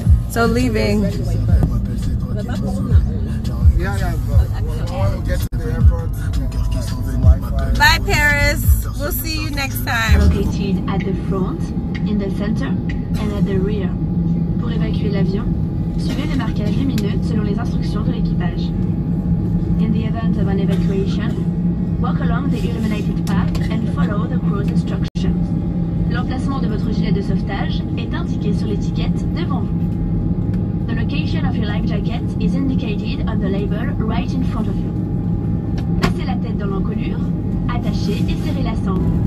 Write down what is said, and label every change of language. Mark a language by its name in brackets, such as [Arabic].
[English] So leaving. Bye, Paris. We'll see you next time. Located at the front, in the center, and at the rear. [French] Pour évacuer l'avion, suivez le marquage lumineux selon les instructions de l'équipage. [English] In the event of an evacuation, walk along the illuminated path and follow the crew's instructions. [French] L'emplacement de votre gilet de sauvetage est indiqué sur l'étiquette devant vous. [English] The location of your life jacket is indicated on the label right in front of you. [French] Passez la tête dans l'encolure, attachez et serrez la sangle.